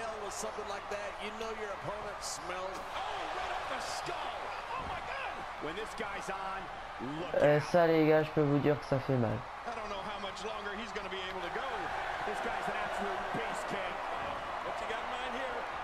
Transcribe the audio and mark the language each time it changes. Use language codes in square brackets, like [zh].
[en] Something like that, you know your opponent smells. Oh, right up the skull! Oh my god! When this guy's on, [fr] ça les gars, je peux vous dire que ça fait mal. [en] I don't know how much longer he's gonna be able to go. This guy's an absolute beast, kid. What you got in mind here?